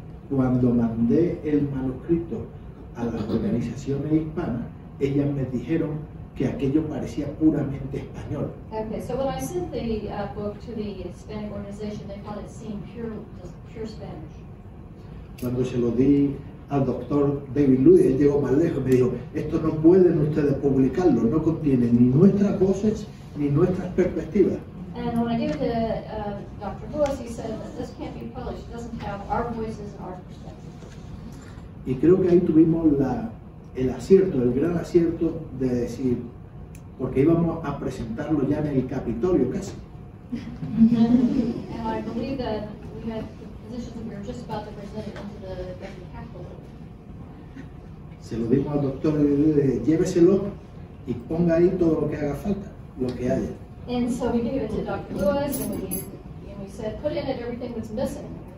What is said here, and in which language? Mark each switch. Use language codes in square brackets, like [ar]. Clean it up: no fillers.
[es] Cuando mandé el manuscrito a las organizaciones hispanas, ellas me dijeron que aquello parecía puramente español. [en] Okay, so when I sent the book to the Hispanic organization, they thought it seemed pure Spanish. [es] Cuando se lo di al doctor David Lewis, él llegó más lejos, me dijo, esto no pueden ustedes publicarlo, no contiene ni nuestras voces, ni nuestras perspectivas. [en] And when I gave it to Dr. Lewis, he said that this can't be published. It doesn't have our voices and our perspectives. [es] Y creo que ahí tuvimos el acierto, el gran acierto de decir, porque íbamos a presentarlo ya en el Capitolio casi. [en] And I believe that we had positions that we were just about to present it into the Capitolio. [es] Se lo dimos al doctor y le dije, lléveselo y ponga ahí todo lo que haga falta. Lo que haya. [en] And so we gave it to Dr. Lewis and we said, put in it everything that's missing.